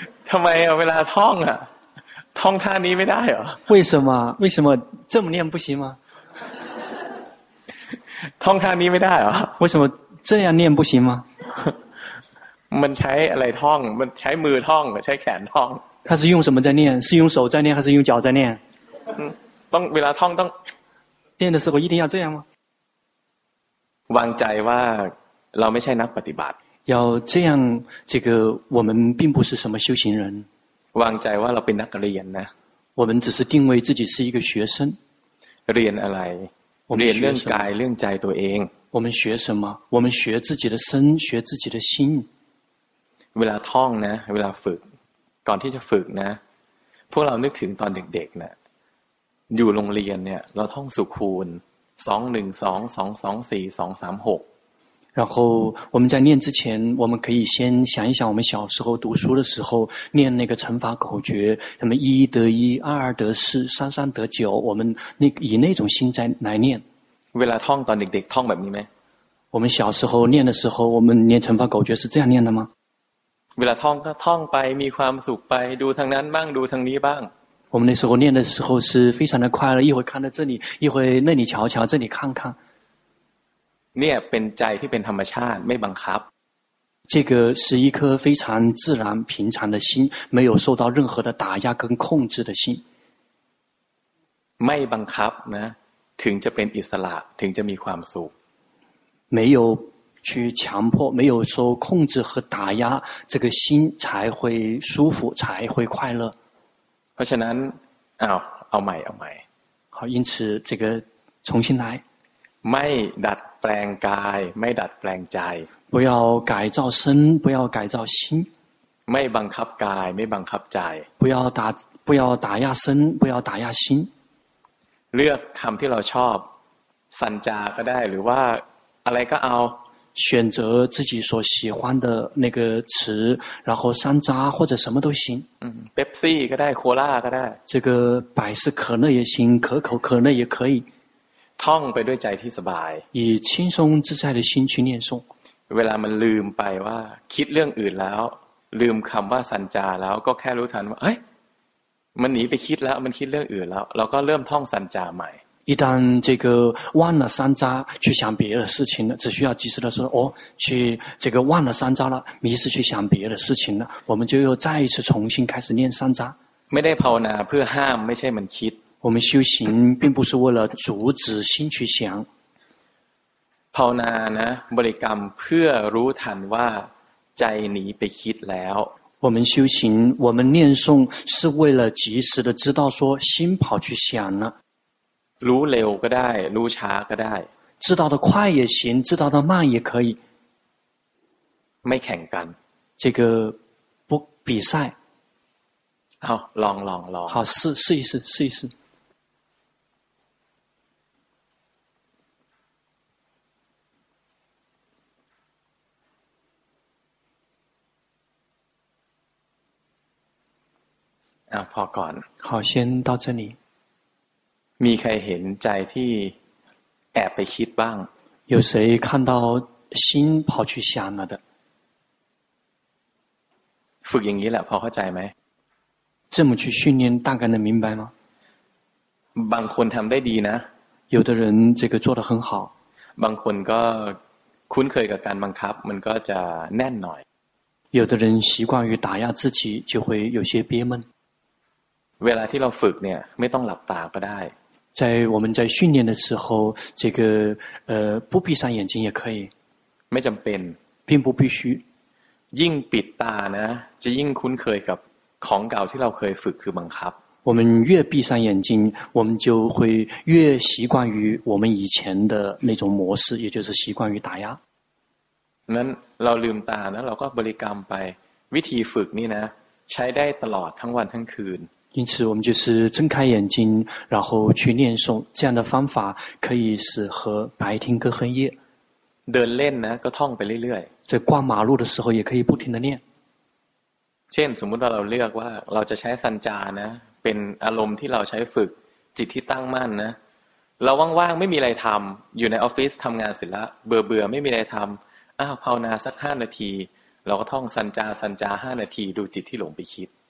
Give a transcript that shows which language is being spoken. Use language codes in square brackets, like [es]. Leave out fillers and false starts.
[th] ทำไมเวลาท่องอ่ะท่องท่านี้ไม่ได้เหรอ [zh] 为什么这么念不行吗 [th] ท่องท่านี้ไม่ได้เหรอ [zh] 为什么这样念不行吗 [th] มันใช้อะไรท่องมันใช้มือท่องใช้แขนท่อง [zh] 他是用什么在念是用手在念还是用脚在念 [th] ต้องเวลาท่องต้อง [zh] 念的时候一定要这样吗 [th] วางใจว่าเราไม่ใช่นักปฏิบัติ [zh] 要这样这个我们并不是什么修行人 [th] วางใจว่าเราเป็นนักเรียนนะ [zh] 我们只是定位自己是一个学生 [th] เรียนอะไรเรียนเรื่องกายเรื่องใจตัวเอง [zh] 我们学什么我们学自己的身学自己的心 [th] เวลาท่องนะเวลาฝึกก่อนที่จะฝึกนะพวกเรานึกถึงตอนเด็กๆนะอยู่โรงเรียนเนี่ยเราท่องสุขูณ2 1 2 2 2 4 2 3 6 [zh] 然后我们在念之前我们可以先想一想我们小时候读书的时候念那个乘法口诀什么一得一二二得四三三得九我们那以那种心在来念 [th] เวลาท่องตอนเด็กๆท่องแบบนี้ไหม [zh] 我们小时候念的时候我们念乘法口诀是这样念的吗 [th] เวลาท่องก็ท่องไปมีความสุขไปดูทางนั้นบ้างดูทางนี้บ้าง [zh] 我们那时候念的时候是非常的快乐一会看到这里一会那里瞧瞧这里看看 [th] เนี่ยเป็นใจที่เป็นธรรมชาติไม่บังคับ [zh] 这个是一颗非常自然平常的心没有受到任何的打压跟控制的心 [th] ไม่บังคับนะถึงจะเป็นอิสระถึงจะมีความสุข [zh] 没有去强迫没有受控制和打压这个心才会舒服才会快乐 [th] เพราะฉะนั้นเอาใหม่ [zh] 好因此这个重新来 [th] ไม่ดัดแปลงกายไม่ดัดแปลงใจ [zh] 不要改造身不要改造心 [th] ไม่บังคับกายไม่บังคับใจ [zh] 不要打压身不要打压心 [th] เลือกคำที่เราชอบสัญจาก็ได้หรือว่าอะไรก็เอา [zh] 选择自己所喜欢的那个词然后山楂或者什么都行 [th] เบปซี่ก็ได้โคลาก็ได้ [zh] 这个百事可乐也行可口可乐也可以 [th] ท่องไปด้วยใจที่สบาย [zh] 以轻松自在的心去念诵 [th] เวลามันลืมไปว่าคิดเรื่องอื่นแล้วลืมคำว่าสัญจาแล้วก็แค่รู้ทันว่าเอ้ยมันหนีไปคิดแล้วมันคิดเรื่องอื่นแล้วเราก็เริ่มท่องสัญจาใหม่ [zh] 一旦这个忘了三渣去想别的事情了只需要及时的说哦去这个忘了三渣了迷失去想别的事情了我们就又再一次重新开始念三渣 [th] ไม่ได้ภาวนาเพื่อห้ามไม่ใช่มันคิด [zh] 我们修行并不是为了阻止心去想 [th] ภาวนานะบริกรรมเพื่อรู้ทันว่าใจหนีไปคิดแล้ว [zh] 我们修行我们念诵是为了及时的知道说心跑去想了 [th] รู้เร็วก็ได้รู้ช้าก็ได้ [zh] 知道的快也行知道的慢也可以 [th] ไม่แข่งกัน [zh] 这个不比赛 [th] 好ลอง [zh] 好试一试 [th] พอก่อน [zh] 好先到这里 [th] มีใครเห็นใจที่แอบไปคิดบ้าง [zh] 有谁看到心跑去想了的 [th] ฝึกอย่างนี้แหละพอเข้าใจไหม [zh] 这么去训练大概能明白吗 [th] บางคนทำได้ดีนะ [zh] 有的人这个做得很好 [th] บางคนก็คุ้นเคยกับการบังคับมันก็จะแน่นหน่อย [zh] 有的人习惯于打压自己就会有些憋闷 [th] เวลาที่เราฝึกเนี่ยไม่ต้องหลับตาก็ได้ [zh] 在我们在训练的时候这个不闭上眼睛也可以 [th] ไม่จำเป็น [zh] 并不必须 [th] ยิ่งปิดตานะจะยิ่งคุ้นเคยกับของเก่าที่เราเคยฝึกคือบังคับ [zh] 我们越闭上眼睛我们就会越习惯于我们以前的那种模式也就是习惯于打压 [th] นั้นเราลืมตานะเราก็บริกรรมไปวิธีฝึกนี่นะใช้ได้ตลอดทั้งวันทั้งคืน [zh] 因此我们就是睁开眼睛然后去念诵这样的方法可以是和白天跟黑夜 [th] เดินเล่นนะก็ท่องไปเรื่อย [zh] ๆ在逛马路的时候也可以不停的念 [th] เช่นสมมติว่าเราเลือกว่าเราจะใช้สัญจานะเป็นอารมณ์ที่เราใช้ฝึกจิตที่ตั้งมั่นนะเราว่างๆไม่มีอะไรทำอยู่ในออฟฟิศทำงานเสร็จแล้วเบื่อๆไม่มีอะไรทำอ้าวภาวนาสัก5นาทีเราก็ท่องสัญจา5นาทีดูจิตที่หลงไปคิด